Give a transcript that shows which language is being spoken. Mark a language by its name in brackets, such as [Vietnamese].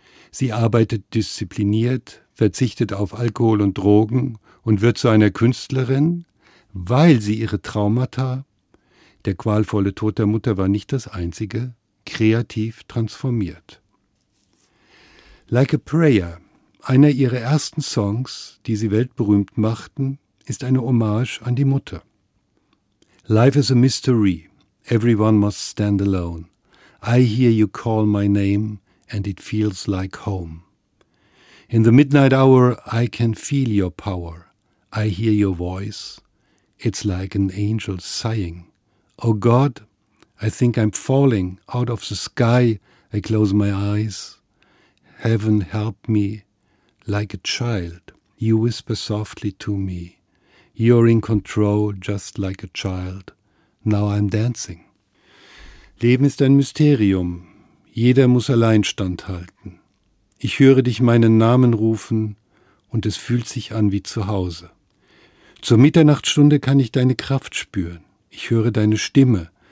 [German] Sie arbeitet diszipliniert, verzichtet auf Alkohol und Drogen und wird zu einer Künstlerin, weil sie ihre Traumata, der qualvolle Tod der Mutter war nicht das einzige, kreativ transformiert. Like a Prayer, einer ihrer ersten Songs, die sie weltberühmt machten, ist eine Hommage an die Mutter. [English] Life is a mystery. Everyone must stand alone. I hear you call my name and it feels like home. In the midnight hour I can feel your power. I hear your voice. It's like an angel sighing. Oh God, I think I'm falling out of the sky. I close my eyes. Heaven help me. Like a child, you whisper softly to me. You're in control just like a child. Now I'm dancing. [German] Leben ist ein Mysterium. Jeder muss allein standhalten. Ich höre dich meinen Namen rufen und es fühlt sich an wie zu Hause. Zur Mitternachtsstunde kann ich deine Kraft spüren. Ich höre deine Stimme.